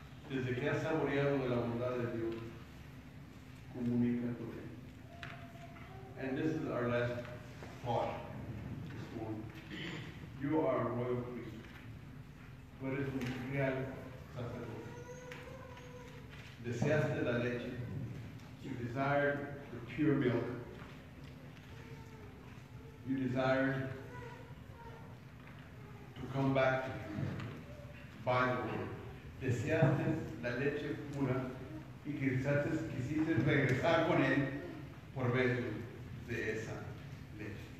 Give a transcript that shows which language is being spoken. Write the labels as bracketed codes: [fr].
[es] Desde que has saboreado de la bondad de Dios, comunica con él. [en] And this is our last thought this morning. You are a royal priest. [es] Tú eres un real sacerdote. Deseaste la leche. [en] You desired the pure milk. You desired to come back to him by the word. [es] Deseaste la leche pura y quisiste regresar con él por medio de esa leche.